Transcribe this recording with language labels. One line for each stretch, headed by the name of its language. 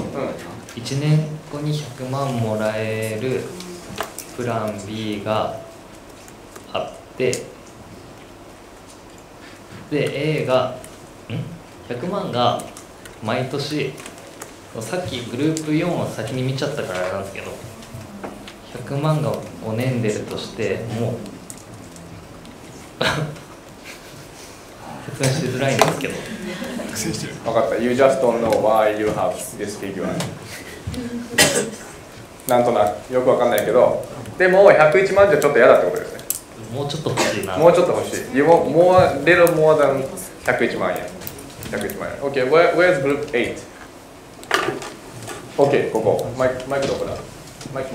Japanese: 1年後に100万もらえるプラン B があって、で、A が、100万が毎年、さっきグループ4を先に見ちゃったからなんですけど、100万が5年出るとして、もう説明しづらいんですけど。分かった。
English: You just don't know why you have this figure.
Japanese: なんとなく、よく分かんないけど、でも101万じゃちょっと嫌だってことですね。もうちょっと欲しいな。もうちょっと欲しい。
English: You want more, little more than 101万円。101万円。 OK, where's group 8? OK,
Japanese: ここ。マイクどこだ？マイク。